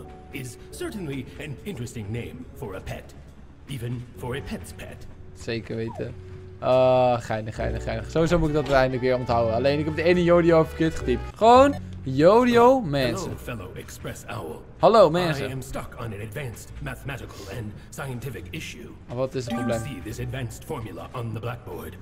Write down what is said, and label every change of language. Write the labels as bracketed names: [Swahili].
[English] Is certainly an interesting name for a pet. Even for a pet's pet. [Dutch] Zeker weten. Geinig. Sowieso moet ik dat uiteindelijk weer onthouden. Alleen, ik heb de ene Yodio verkeerd getypt. Gewoon, Yodio mensen. [English] Hello, fellow express owl. [Dutch] Hallo, mensen. [English] I am stuck on an advanced mathematical and scientific issue. [Dutch] Wat is het probleem? [English] Do you see this advanced formula on the blackboard?